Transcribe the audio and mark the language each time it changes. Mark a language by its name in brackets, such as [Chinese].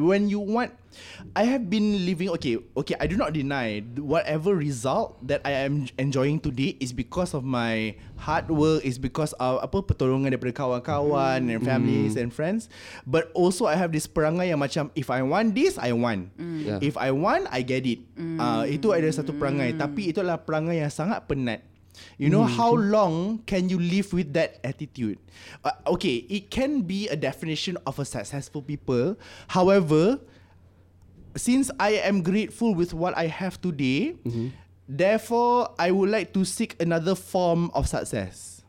[English] When you want, I have been living, okay, I do not deny whatever result that I am enjoying today is because of my hard work, is because of [Malay] apa, pertolongan daripada kawan-kawan [English] and families and friends. But also I have this [Malay] perangai yang macam, [English] if I want this, I want. If I want, I get it. [Malay] Itu ada satu perangai. Tapi itu adalah perangai yang sangat penat. [English] You know how long can you live with that attitude? Okay, it can be a definition of a successful people. However, since I am grateful with what I have today, therefore, I would like to seek another form of success.